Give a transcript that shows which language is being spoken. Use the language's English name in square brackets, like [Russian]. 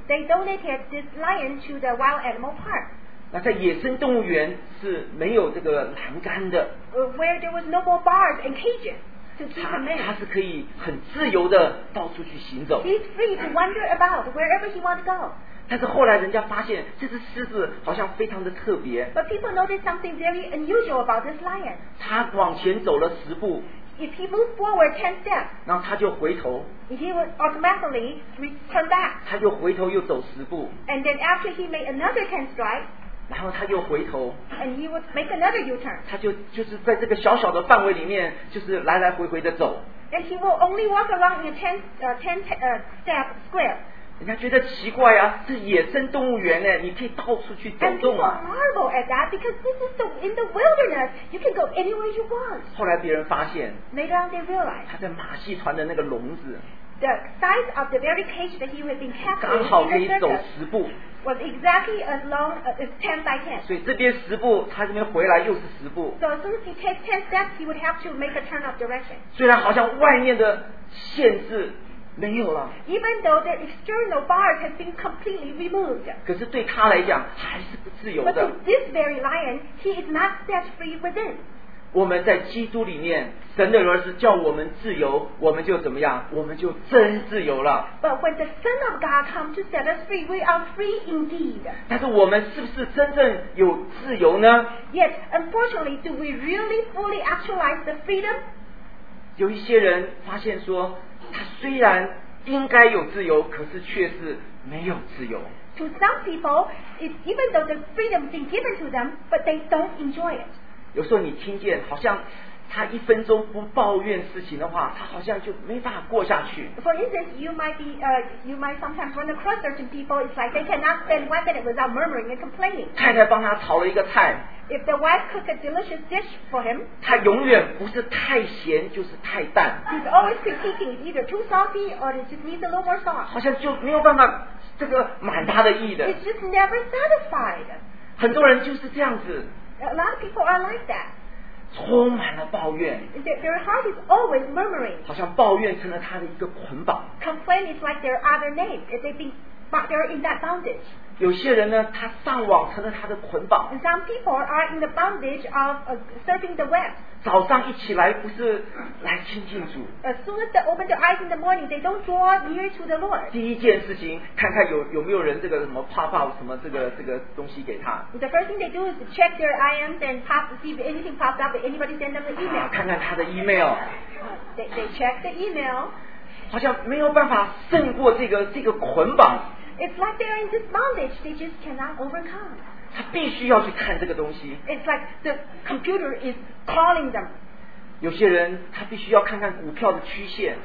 [English] They donated this lion to the wild animal park [Chinese] 那在野生动物园是没有这个栏杆的 [English] Where there was no more bars and cages to keep him in [Chinese] 他是可以很自由的到处去行走 [English] He's free to wander about wherever he wants to go [Chinese] 但是后来人家发现这只狮子好像非常的特别。 [English] But people noticed something very unusual about this lion. [Chinese] 他往前走了十步。 [English] If he moved forward 10 steps, [Chinese] 然后他就回头。 [English] He would automatically turn back. [Chinese] 他就回头又走十步。 [English] And then after he made another 10 strides. [Chinese] 然后他又回头 [English] and he would make another U-turn. [Chinese] 他就是在这个小小的范围里面就是来来回回的走 [English] and he will only walk along in a 10 step square. [Chinese] 人家觉得奇怪啊，是野生动物园呢，你可以到处去走动啊。 [English] And people marvel at that because this is the, in the wilderness, you can go anywhere you want. [Chinese] 后来别人发现 [English] later on they realized [Chinese] 他在马戏团的那个笼子 [English] The size of the very cage that he would be kept in. [Chinese] 刚好可以走十步 [English] Was exactly as long as 10 by 10. [Chinese] 所以这边十步，他这边回来又是十步。 [English] So as soon as he takes 10 steps, he would have to make a turn of direction. [Chinese] 虽然好像外面的限制没有了。 [English] Even though the external bars have been completely removed. [Chinese] 可是对他来讲还是不自由的。 [English] But to this very lion, he is not set free within. [Chinese] 我们在基督里面，神的儿子叫我们自由，我们就怎么样？我们就真自由了。 [English] But when the Son of God comes to set us free, we are free indeed. [Chinese] 但是我们是不是真正有自由呢？ [English] Yet, unfortunately, do we really fully actualize the freedom? [Chinese] 有一些人发现说，他虽然应该有自由，可是却是没有自由。 [English] To some people, it's even though the freedom has been given to them, but they don't enjoy it. [Chinese] 有时候你听见好像他一分钟不抱怨事情的话他好像就没办法过下去 [English] For instance, you might sometimes run across certain people It's like they cannot spend 1 minute without murmuring and complaining [Chinese] 太太帮他炒了一个菜 [English] If the wife cooked a delicious dish for him [Chinese] 他永远不是太咸就是太淡 [English] He's always critiquing either too salty or it just needs a little more salt [Chinese] 好像就没有办法这个满他的意的 [English] It's just never satisfied [Chinese] 很多人就是这样子 [English] A lot of people are like that. [Chinese] 充满了抱怨。 [English] Their heart is always murmuring. [Chinese] 好像抱怨成了他的一个捆绑。 [English] Complain is like their other name. They're in that bondage. [Chinese] 有些人呢，他上网成了他的捆绑。 [English] And some people are in the bondage of surfing the web. [Chinese] 早上一起来不是来亲近主。 [English] As soon as they open their eyes in the morning, they don't draw near to the Lord. [Chinese] 第一件事情，看看有没有人这个什么 pop up 什么这个东西给他。 [English] The first thing they do is check their IMs and pop to see if anything popped up. If anybody send them an email. [Chinese] 看看他的 email. [English] They check the email. [Chinese] 好像没有办法胜过这个捆绑。 [English] It's like they're in this bondage. They just cannot overcome. [Chinese] 他必须要去看这个东西。 [English] It's like the computer is calling them. [Chinese] 有些人他必须要看看股票的曲线。